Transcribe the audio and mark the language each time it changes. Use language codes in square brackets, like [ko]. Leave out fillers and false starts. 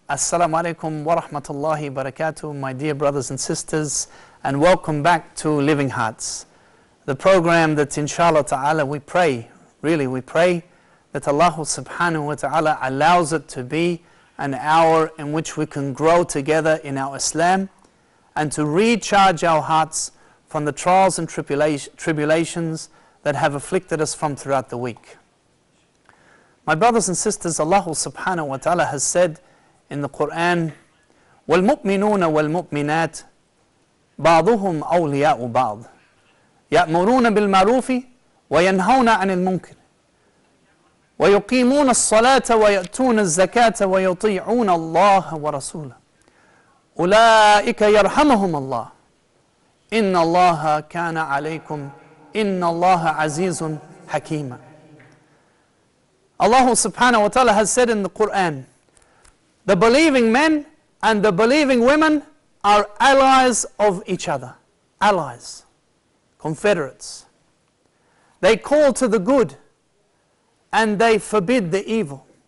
[ar] السلام عليكم ورحمة الله وبركاته. [en] My dear brothers and sisters, and welcome back to Living Hearts, the program that inshallah ta'ala we pray that Allah subhanahu wa ta'ala allows it to be an hour in which we can grow together in our Islam and to recharge our hearts from the trials and tribulations that have afflicted us from throughout the week. My brothers and sisters, Allah subhanahu wa ta'ala has said in the Quran, [ar] وَالْمُؤْمِنُونَ وَالْمُؤْمِنَاتِ بَعْضُهُمْ أَوْلِيَاءُ بَعْضٍ يَأْمُرُونَ بِالْمَعْرُوفِ وَيَنْهَوْنَ عَنِ الْمُنْكِرِ وَيُقِيمُونَ الصَّلَاةَ وَيَأْتُونَ الزَّكَاةَ وَيُطِيعُونَ اللَّهَ وَرَسُولَهُ أُولَئِكَ يَرْحَمُهُمُ اللَّهُ إِنَّ اللَّهَ كَانَ عَلَيْكُمْ إِنَّ اللَّهَ عَزِيزٌ حَكِيمٌ. [en] Allah subhanahu wa ta'ala has said in the Quran, the believing men and the believing women are allies of each other. Allies. Confederates. They call to the good and they forbid the evil.